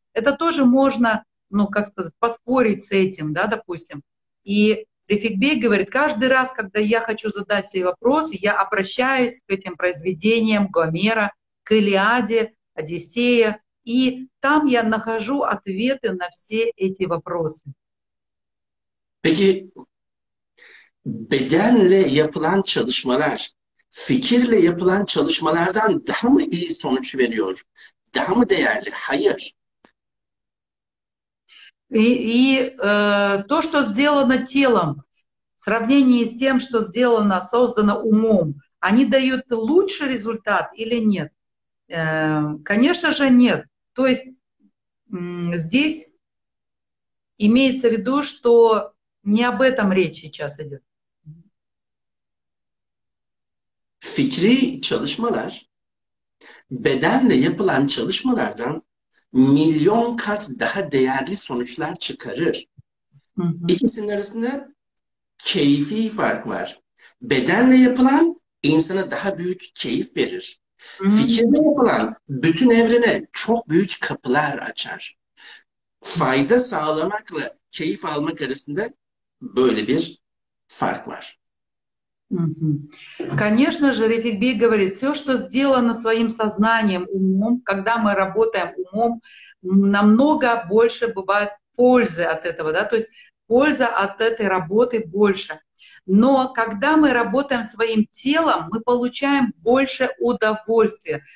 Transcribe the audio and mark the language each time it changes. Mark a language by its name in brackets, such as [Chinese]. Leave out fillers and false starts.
[Russian] Это тоже можно, ну, как сказать, поспорить с этим, да, допустим. И Рефик Бей говорит, каждый раз, когда я хочу задать себе вопрос, я обращаюсь к этим произведениям Гомера, к Илиаде, Одиссея, и там я нахожу ответы на все эти вопросы. [Turkish] Peki bedenle yapılan çalışmalar fikirle yapılan çalışmalardan daha mı iyi sonuç veriyor? Daha mı değerli? Hayır. [Russian] То, что сделано телом, в сравнении с тем, что сделано, создано умом, они дают лучший результат или нет? Конечно же, нет. То есть здесь имеется в виду, что не об этом речь сейчас идет. [Turkish] Fikri çalışmalar bedenle yapılan çalışmalardan milyon kat daha değerli sonuçlar çıkarır. İkisinin arasında keyfi fark var. Bedenle yapılan insana daha büyük keyif verir. Fikirle yapılan bütün evrene çok büyük kapılar açar. Fayda sağlamakla keyif almak arasında böyle bir fark var. [Russian] Конечно же, Рефик Бей говорит, все, что сделано своим сознанием, умом, когда мы работаем умом, намного больше бывает пользы от этого, да, то есть польза от этой работы больше. Но когда мы работаем своим телом, мы получаем больше удовольствия.